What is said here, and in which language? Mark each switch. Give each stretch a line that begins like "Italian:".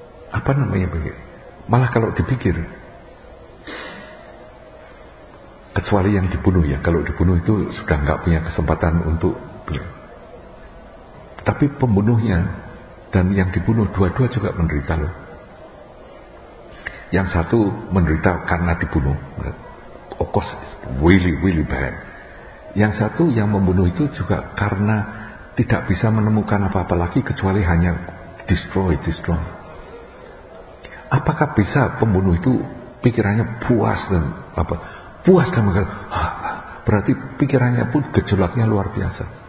Indonesian: Apa namanya begitu? Malah kalau dipikir, kecuali yang dibunuh ya, kalau dibunuh itu sudah enggak punya kesempatan untuk beli. Tapi pembunuhnya dan yang dibunuh, dua-dua juga menderita loh. Yang satu menderita karena dibunuh,
English: of course it's really really bad.
Indonesian: Yang satu yang membunuh itu juga karena tidak bisa menemukan apa-apa lagi kecuali hanya
English: destroy, destroy.
Indonesian: Apakah bisa pembunuh itu pikirannya puas dan apa? Puas kan mereka, berarti pikirannya pun gejolaknya luar biasa.